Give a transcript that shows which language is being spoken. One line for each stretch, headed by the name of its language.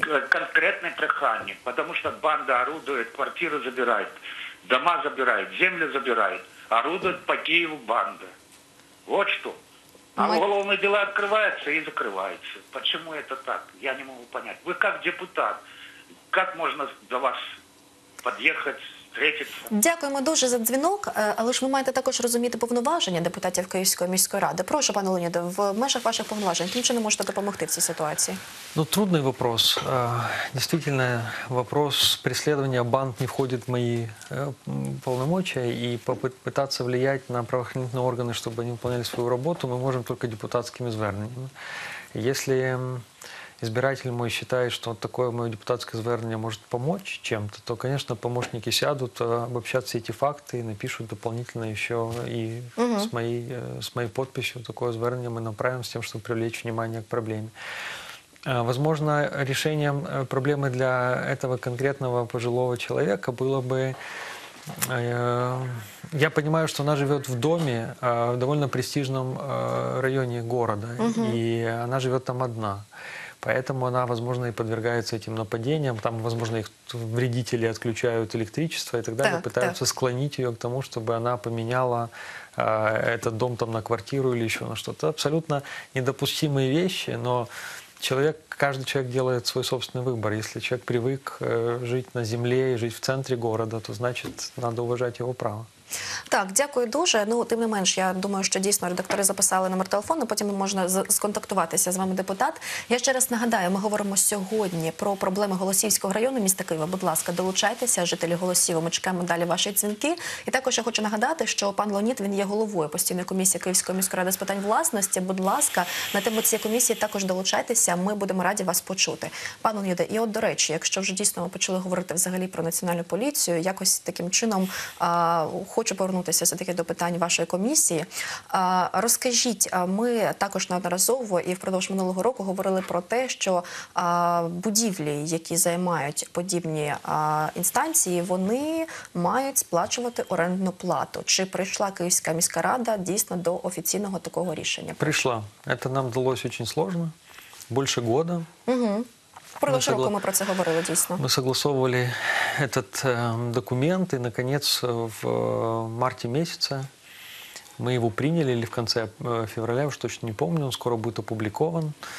Russian: Конкретное прохание, потому что банда орудует, квартиры забирает. Дома забирают, землю забирают, орудуют по Киеву банда. Вот что. А уголовные дела открываются и закрываются. Почему это так? Я не могу понять. Вы как депутат, как можно до вас подъехать?
Ukrainian: Дякуємо дуже за дзвінок, але ж ви маєте також розуміти повноваження депутатів Київської міської ради. Прошу, пане Леоніде, в межах ваших повноважень, тим чином можете допомогти в цій ситуації?
Russian: Ну, трудний вопрос.
Ukrainian: Дійсно, вопрос переслідування банд не входить в мої повноваження, і попитатися впливати на правоохоронні органи, щоб вони виконували свою роботу, ми можемо тільки депутатськими зверненнями. Якщо...
Russian: избиратель мой считает, что такое мое депутатское звернение может помочь чем-то, то, конечно, помощники сядут, обобщат все эти факты и напишут дополнительно еще и с моей подписью такое звернение мы направим с тем, чтобы привлечь внимание к проблеме. Возможно, решением проблемы для этого конкретного пожилого человека было бы... Я понимаю, что она живет в доме в довольно престижном районе города, и она живет там одна. Поэтому она, возможно, и подвергается этим нападениям. Там, возможно, их вредители отключают электричество и так далее. Так, пытаются склонить ее к тому, чтобы она поменяла этот дом там на квартиру или еще на что-то. Абсолютно недопустимые вещи, но каждый человек делает свой собственный выбор. Если человек привык жить на земле и жить в центре города, то значит, надо уважать его право.
Ukrainian: Так, дякую дуже. Ну, тим не менш, я думаю, що дійсно редактори записали номер телефону, потім можна сконтактуватися з вами, депутат. Я ще раз нагадаю, ми говоримо сьогодні про проблеми Голосіївського району міста Києва. Будь ласка, долучайтеся, жителі Голосіїва, ми чекаємо далі ваші дзвінки. І також я хочу нагадати, що пан Леонід, він є головою постійної комісії Київської міської ради з питань власності. Будь ласка, на тему цієї комісії також долучайтеся, ми будемо раді вас почути. Пан Леоніде, і от, до речі, якщо вже дійсно ми почали говорити взагалі про національну поліцію, якось таким чином хочу повернутися все-таки до питань вашої комісії. Розкажіть, ми також неодноразово і впродовж минулого року говорили про те, що будівлі, які займають подібні інстанції, вони мають сплачувати орендну плату. Чи прийшла Київська міська рада дійсно до офіційного такого рішення? Прийшла. Це нам вдалося дуже складно. Більше року. Впродовж року ми про це говорили, дійсно.
Russian: Ми согласовували этот документ, и, наконец, в марте месяце мы его приняли, или в конце февраля, уж точно не помню, он скоро будет опубликован.